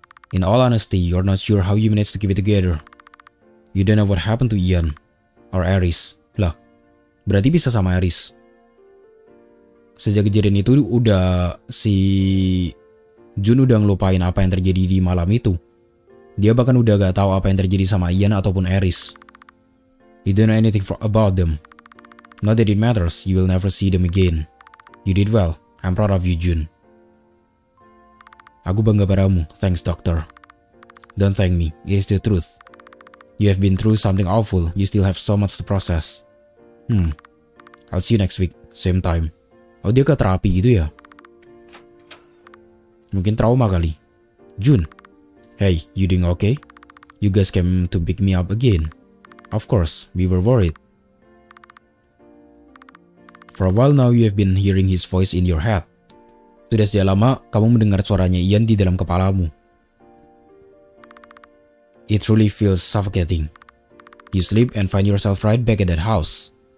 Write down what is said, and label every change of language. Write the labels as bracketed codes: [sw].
[en] In all honesty, you're not sure how you managed to keep it together. You don't know what happened to Ian or Aris. [id] Lah, berarti bisa sama Aris. Sejak kejadian itu udah si Jun udah ngelupain apa yang terjadi di malam itu. Dia bahkan udah gak tahu apa yang terjadi sama Ian ataupun Aris. [en] You don't know anything about them. Not that it matters, you will never see them again. You did well. I'm proud of you, Jun. [id] Aku bangga padamu. [en] Thanks, doctor. Don't thank me. It is the truth. You have been through something awful. You still have so much to process. I'll see you next week. Same time. [id] Oh, dia ke terapi gitu ya? Mungkin trauma kali. [en] Jun. Hey, you doing okay? You guys came to pick me up again. Of course, we were worried. For a while now, you have been hearing his voice in your head. [id] Sudah sejak lama, kamu mendengar suaranya Ian di dalam kepalamu. [en] It truly feels suffocating. You sleep and find yourself right back at that house.